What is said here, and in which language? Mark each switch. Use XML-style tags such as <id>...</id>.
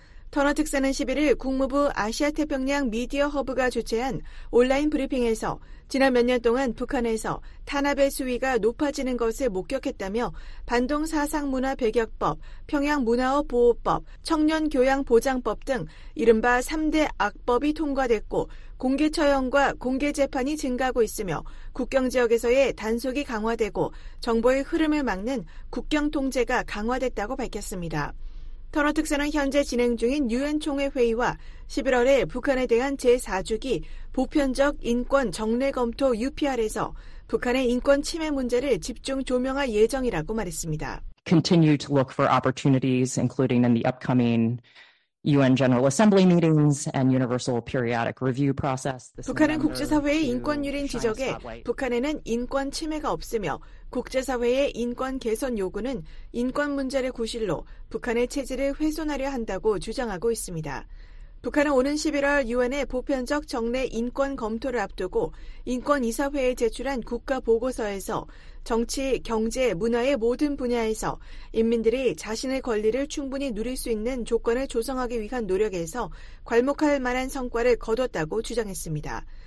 <ko>터너 특사는 11일 국무부 아시아태평양 미디어 허브가 주최한 온라인 브리핑에서 지난 몇 년 동안 북한에서 탄압의 수위가 높아지는 것을 목격했다며 반동사상문화배격법, 평양문화어보호법, 청년교양보장법 등 이른바 3대 악법이 통과됐고 공개처형과 공개재판이 증가하고 있으며 국경지역에서의 단속이 강화되고 정보의 흐름을 막는 국경통제가 강화됐다고 밝혔습니다. 터너 특사는 현재 진행 중인 유엔 총회 회의와 11월에 북한에 대한 제4주기 보편적 인권 정례 검토 UPR에서 북한의 인권 침해 문제를 집중 조명할 예정이라고 말했습니다.</ko> <en>Continue to look for opportunities including in the upcoming UN General Assembly meetings and universal periodic review process.</en> <ko>북한은 국제사회의 인권 유린 지적에 북한에는 인권 침해가 없으며 국제사회의 인권 개선 요구는 인권 문제를 구실로 북한의 체제를 훼손하려 한다고 주장하고 있습니다. 북한은 오는 11월 UN의 보편적 정례 인권 검토를 앞두고 인권이사회에 제출한 국가보고서에서 정치, 경제, 문화의 모든 분야에서 인민들이 자신의 권리를 충분히 누릴 수 있는 조건을 조성하기 위한 노력에서 괄목할 만한 성과를 거뒀다고 주장했습니다.</ko>